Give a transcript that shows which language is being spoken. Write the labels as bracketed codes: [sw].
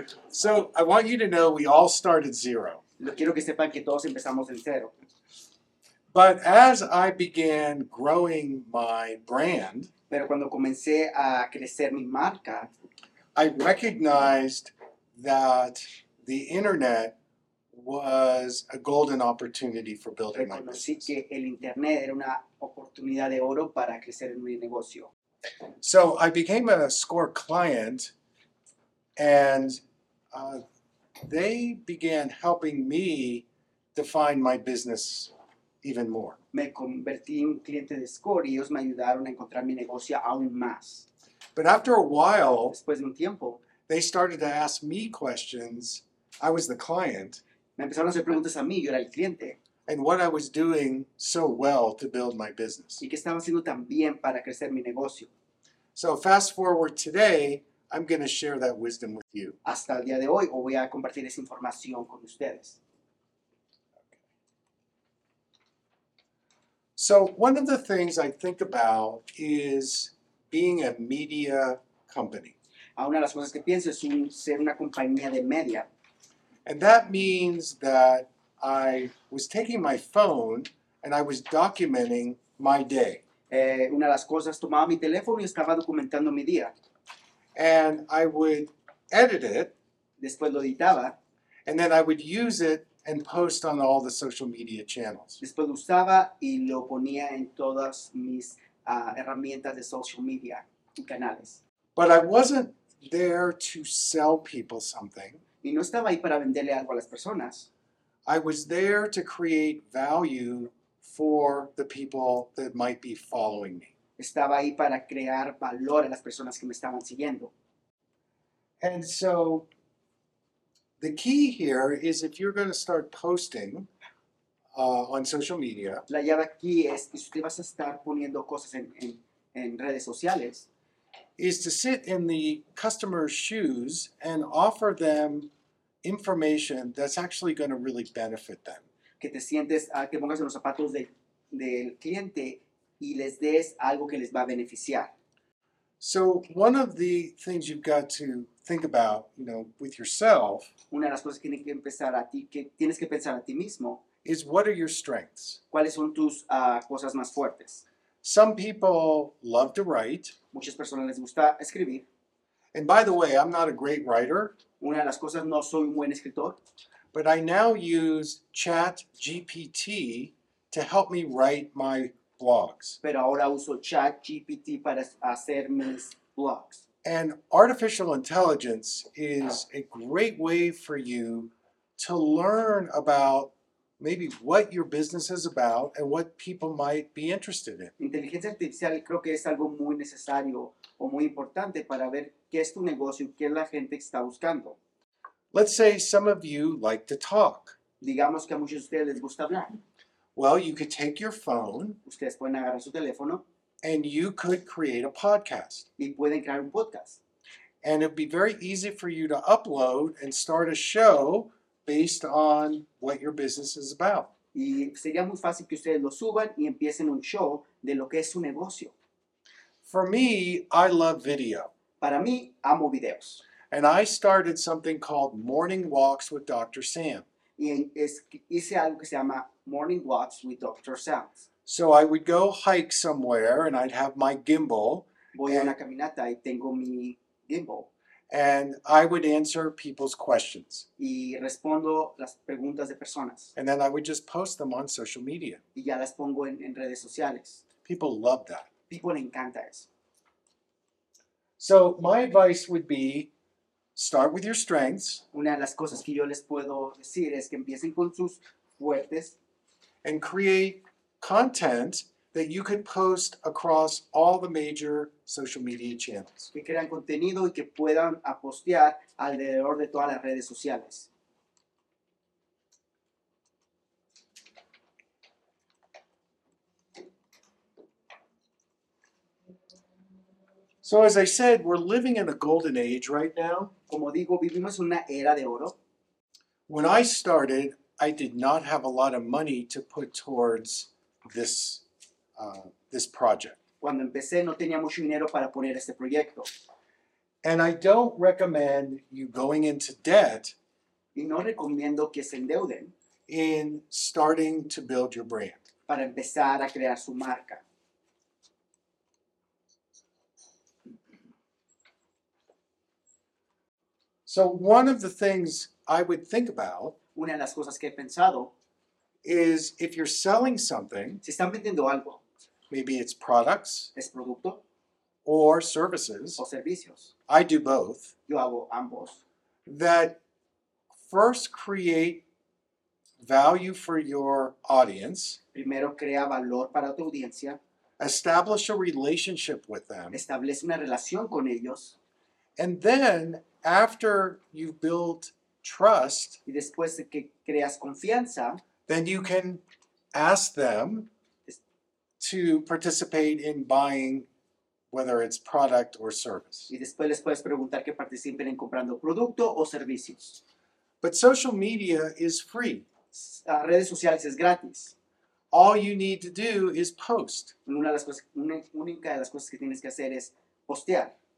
[en] So I want you to know we all started zero. But as I began growing my brand, I recognized that the internet was a golden opportunity for building my business. [es] Reconocí que el internet era una oportunidad de oro para crecer en mi negocio. [en] So I became a Score client, and they began helping me define my business even more. [es] Me convertí en cliente de Score y ellos me ayudaron a encontrar mi negocio aún más. [en] But after a while, [es] después de un tiempo, [en] they started to ask me questions. I was the client. [es] Me empezaron a hacer preguntas a mí, yo era el cliente. [en] And what I was doing so well to build my business. [es] Y que estaba haciendo tan bien para crecer mi negocio. [en] So fast forward today, I'm going to share that wisdom with you. [es] Hasta el día de hoy, voy a compartir esa información con ustedes. [en] So one of the things I think about is being a media company. [es] Una de las cosas que pienso es ser una compañía de media. [en] And that means that I was taking my phone and I was documenting my day. [es] Una de las cosas, tomaba mi teléfono y estaba documentando mi día. [en] And I would edit it. [es] Después lo editaba. [en] And then I would use it and post on all the social media channels. [es] Después lo usaba y lo ponía en todas mis herramientas de social media y canales. [en] But I wasn't there to sell people something. [es] Y no estaba ahí para venderle algo a las personas. [en] I was there to create value for the people that might be following me. [es] Estaba ahí para crear valor a las personas que me estaban siguiendo. [en] And so the key here is if you're going to start posting on social media. [es] La llave aquí es que usted vas a estar poniendo cosas en redes sociales. [en] Is to sit in the customer's shoes and offer them information that's actually going to really benefit them. [es] Que te sientes, que pongas en los zapatos del cliente y les des algo que les va a beneficiar. [en] So one of the things you've got to think about, you know, with yourself. [es] Una de las cosas que tienes que empezar a ti, que tienes que pensar a ti mismo. [en] Is what are your strengths? [es] ¿Cuáles son tus cosas más fuertes? [en] Some people love to write. [es] Muchas personas les gusta escribir. [en] And by the way, I'm not a great writer. [es] Una de las cosas, no soy un buen escritor. [en] But I now use ChatGPT to help me write my blogs. [es] Pero ahora uso ChatGPT para hacer mis blogs. [en] And artificial intelligence is a great way for you to learn about maybe what your business is about and what people might be interested in. [es] Inteligencia artificial creo que es algo muy necesario o muy importante para ver qué es tu negocio, qué la gente está buscando. [en] Let's say some of you like to talk. [es] Digamos que a muchos de ustedes les gusta hablar. [en] Well, you could take your phone. [es] Ustedes pueden agarrar su teléfono. [en] And you could create a podcast. [es] Y pueden crear un podcast. [en] And it'd be very easy for you to upload and start a show based on what your business is about. [es] Y sería muy fácil que ustedes lo suban y empiecen un show de lo que es su negocio. [en] For me, I love video. [es] Para mí, amo videos. [en] And I started something called Morning Walks with Dr. Sam. [es] Y hice algo que se llama Morning Walks with Dr. Sam. [en] So I would go hike somewhere and I'd have my gimbal. [es] Voy a una caminata y tengo mi gimbal. [en] And I would answer people's questions. [es] Y respondo las preguntas de personas. [en] And then I would just post them on social media. [es] Y ya las pongo en redes sociales. [en] People love that. [es] People le encanta eso. [en] So my advice would be, start with your strengths. [es] Una de las cosas que yo les puedo decir es que empiecen con sus fuertes. [en] And create content that you could post across all the major social media channels. [es] Que crean contenido y que puedan postear alrededor de todas las redes sociales. [en] So as I said, we're living in a golden age right now. [es] Como digo, vivimos una era de oro. [en] When I started, I did not have a lot of money to put towards this project. [es] Cuando empecé, no tenía mucho dinero para poner este proyecto. [en] And I don't recommend you going into debt. [es] Y no recomiendo que se endeuden. [en] In starting to build your brand. [es] Para empezar a crear su marca. [en] So one of the things I would think about, [es] una de las cosas que he pensado, [en] is if you're selling something, [es] si están vendiendo algo, [en] maybe it's products, [es] es producto, [en] or services, [es] o servicios, [en] I do both, [es] yo hago ambos, [en] that first create value for your audience, [es] primero crea valor para tu audiencia, [en] establish a relationship with them, [es] establece una relación con ellos, [en] and then after you've built trust, [es] y después de que creas confianza, [en] then you can ask them to participate in buying, whether it's product or service. [es] Y después les puedes preguntar que participen en comprando producto o servicios. [en] But social media is free. [es] Redes sociales es gratis. [en] All you need to do is post. [es] Una de las cosas que tienes que hacer es postear.